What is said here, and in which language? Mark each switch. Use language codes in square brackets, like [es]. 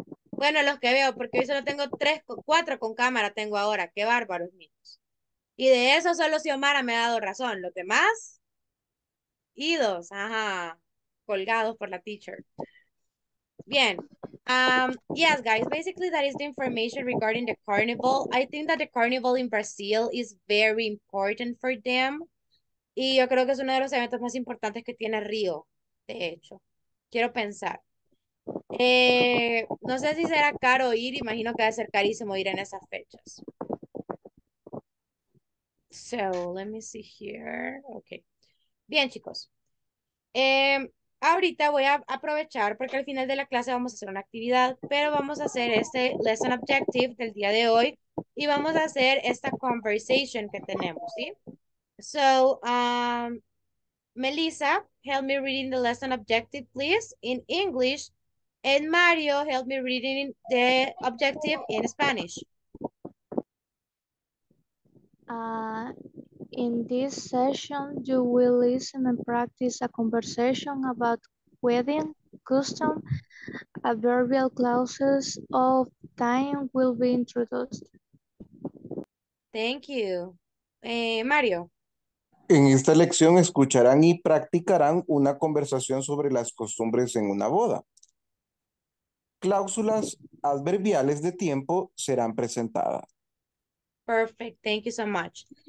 [es] Bueno, los que veo, porque hoy solo tengo tres, cuatro con cámara tengo ahora. Qué bárbaros, niños. Y de eso solo Xiomara me ha dado razón. Los demás, idos, ajá, colgados por la teacher. Bien. [en] Yes, guys, basically that is the information regarding the carnival. I think that the carnival in Brazil is very important for them. [es] Y yo creo que es uno de los eventos más importantes que tiene Río. De hecho, quiero pensar. No sé si será caro ir, imagino que va a ser carísimo ir en esas fechas. [en] So, let me see here. Okay. [es] Bien, chicos. Ahorita voy a aprovechar porque al final de la clase vamos a hacer una actividad, pero vamos a hacer este lesson objective del día de hoy y vamos a hacer esta conversation que tenemos, ¿sí? [en] So, Melissa, help me reading the lesson objective, please, in English. And Mario, help me reading the objective in Spanish. In this session, you will listen and practice a conversation about wedding, custom, adverbial clauses of time will be introduced. Thank you. Mario. [es] En esta lección escucharán y practicarán una conversación sobre las costumbres en una boda. Cláusulas adverbiales de tiempo serán presentadas. [en] Perfect, thank you so much.